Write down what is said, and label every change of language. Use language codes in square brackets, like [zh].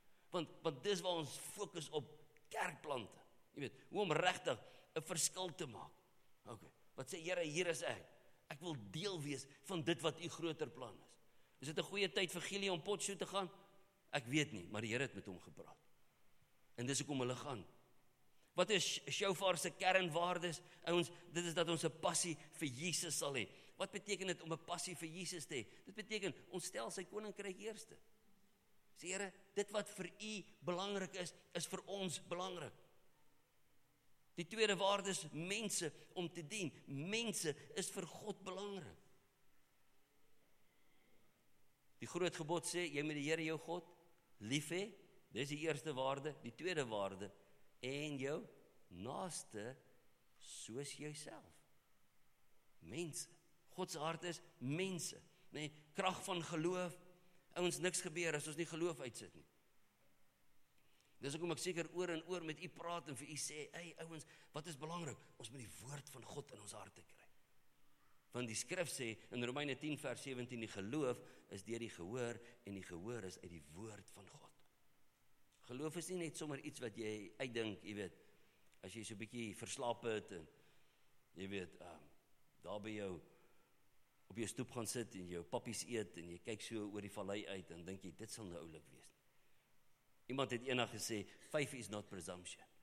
[af] Want dis waar ons fokus op kerkplante. Jy weet, hoe om regtig 'n verskil te maak. Okay, wat sê Here, hier is ek. Ek wil deel wees van dit wat u groter plan is. Is dit 'n goeie tyd vir Gielie om Potch toe te gaan? Ek weet nie, maar die Here het met hom gepraat. En dis hoekom hulle gaan. Wat is Shofar se kernwaardes? Ouens, dit is dat ons 'n passie vir Jesus sal hê. Wat beteken dit om 'n passie vir Jesus te hê? Dit beteken ons stel sy koninkryk eerste. Sê Here, dit wat vir u belangrik is, is vir ons belangrik. Die tweede waarde is mense om te dien. Mense is vir God belangrik. Die groot gebod sê, jy moet die Here jou God lief hê, dis die eerste waarde, die tweede waarde, en jou naaste soos jouself. Mense, God se hart is mense, nee, krag van geloof, ouens, niks gebeur as ons nie geloof uitsit nie. Dis hoekom ek seker oor en oor met u praat en vir u sê, hey ouens, wat is belangrik? Ons moet die woord van God in ons harte kry. Want die skrif sê in Romeine 10 vers 17, die geloof is deur die gehoor en die gehoor is uit die woord van God. Geloof is nie net sommer iets wat jy uitdink, jy weet, as jy so 'n bietjie verslaap het en jy weet, daar by jou op jou stoep gaan sit en jou pappies eet en jy kyk so oor die vallei uit en dink jy, dit sal nou oulik wees. Iemand het eendag gesê, [en] faith is not presumption.